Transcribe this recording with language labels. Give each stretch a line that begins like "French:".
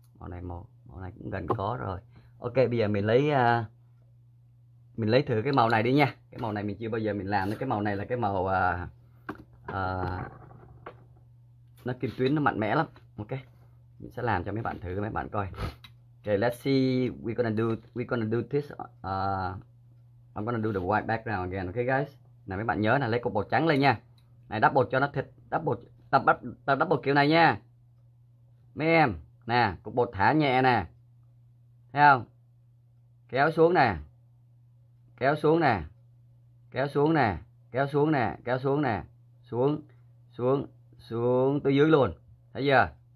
Vietnamese: Màu này cũng gần có rồi. Ok, bây giờ mình lấy thử cái màu này đi nha. Cái màu này mình chưa bao giờ mình làm. Cái màu này là cái màu... nó kim tuyến nó mạnh mẽ lắm. Ok, mình sẽ làm cho mấy bạn thử, mấy bạn coi.
English: Ok, let's see, we're gonna do this. I'm gonna do the white background again. Okay guys,
Vietnamese: Này mấy bạn nhớ là lấy cục bột trắng lên nha. Này đắp bột cho nó thịt, đắp bột tập bắt tập đắp bột kiểu này nha. Mấy em, nè, cục bột thả nhẹ nè. Thấy không? Kéo xuống nè. Kéo xuống nè. Kéo xuống nè, kéo xuống nè, kéo xuống nè. Xuống, xuống, xuống tới dưới luôn. Thấy chưa?